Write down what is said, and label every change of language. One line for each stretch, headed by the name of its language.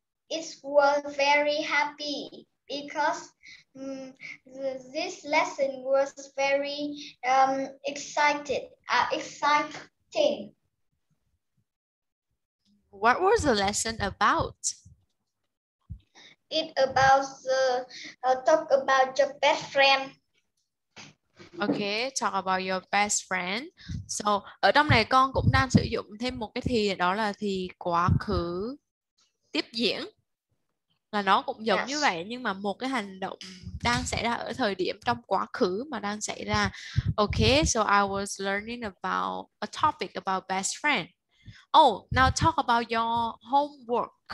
English: It was very happy because this lesson was very exciting. What was the lesson about? It about the talk about your best friend. Okay, talk about your best friend.
Vietnamese: So, ở trong này con cũng đang sử dụng thêm một cái thì, đó là thì quá khứ tiếp diễn. Là nó cũng giống như vậy, nhưng mà một cái hành động đang xảy ra ở thời điểm trong quá khứ mà đang xảy ra.
English: Okay, so I was learning about a topic about best friend. Oh, now talk about your homework.